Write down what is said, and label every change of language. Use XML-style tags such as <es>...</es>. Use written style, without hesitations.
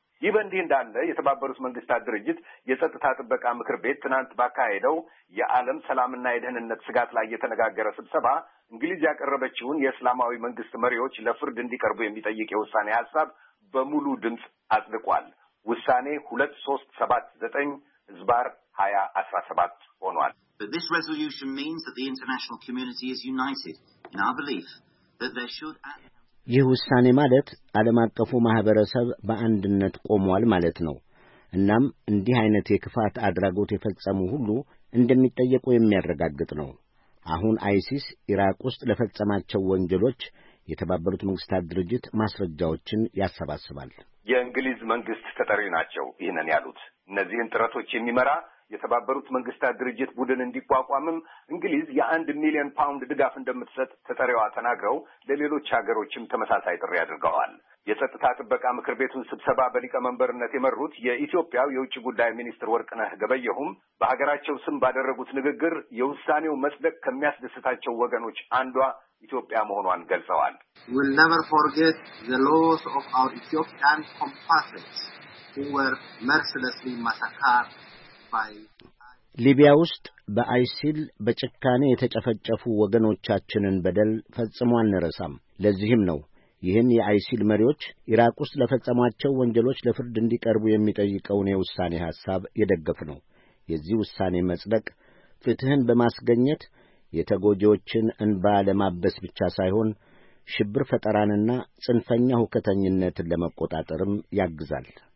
<am>ይህ እንዲህ እንዳለ የተባበሩት መንግስታት ድርጅት የጸጥታ ጥበቃ ምክር ቤት ትናንት ባካሄደው የዓለም ሰላምና የደህንነት ስጋት ላይ የተነጋገረ ስብሰባ እንግሊዝ ያቀረበችውን የእስላማዊ መንግስት መሪዎች ለፍርድ እንዲቀርቡ የሚጠይቅ የውሳኔ ሐሳብ በሙሉ ድምጽ አጽድቋል። ውሳኔ 2379 ዝባር 2017 ሆኗል።</am> <en>This resolution means that the international community is united in our belief that there should</en> <am>ይህ ውሳኔ ማለት ዓለም አቀፉ ማህበረሰብ በአንድነት ቆሟል ማለት ነው። እናም እንዲህ አይነት የክፋት አድራጎት የፈጸሙ ሁሉ እንደሚጠየቁ የሚያረጋግጥ ነው። አሁን አይሲስ ኢራቅ ውስጥ ለፈጸማቸው ወንጀሎች የተባበሩት መንግስታት ድርጅት ማስረጃዎችን ያሰባስባል። የእንግሊዝ መንግስት ተጠሪ ናቸው ይህንን ያሉት። እነዚህን ጥረቶች የሚመራ የተባበሩት መንግስታት ድርጅት ቡድን እንዲቋቋምም እንግሊዝ የአንድ ሚሊዮን ፓውንድ ድጋፍ እንደምትሰጥ ተጠሪዋ ተናግረው ለሌሎች ሀገሮችም ተመሳሳይ ጥሪ አድርገዋል። የጸጥታ ጥበቃ ምክር ቤቱን ስብሰባ በሊቀመንበርነት የመሩት የኢትዮጵያው የውጭ ጉዳይ ሚኒስትር ወርቅነህ ገበየሁም በሀገራቸው ስም ባደረጉት ንግግር የውሳኔው መጽደቅ ከሚያስደስታቸው ወገኖች አንዷ ኢትዮጵያ መሆኗን ገልጸዋል።</am> <en>We'll never forget the loss of our Ethiopian compatriots who were mercilessly massacred.</en> <am>ሊቢያ ውስጥ በአይሲል በጭካኔ የተጨፈጨፉ ወገኖቻችንን በደል ፈጽሞ አንረሳም። ለዚህም ነው ይህን የአይሲል መሪዎች ኢራቅ ውስጥ ለፈጸሟቸው ወንጀሎች ለፍርድ እንዲቀርቡ የሚጠይቀውን የውሳኔ ሐሳብ የደገፍነው። የዚህ ውሳኔ መጽደቅ ፍትህን በማስገኘት የተጎጂዎችን እንባ ለማበስ ብቻ ሳይሆን ሽብር ፈጠራንና ጽንፈኛ ሁከተኝነትን ለመቆጣጠርም ያግዛል።</am>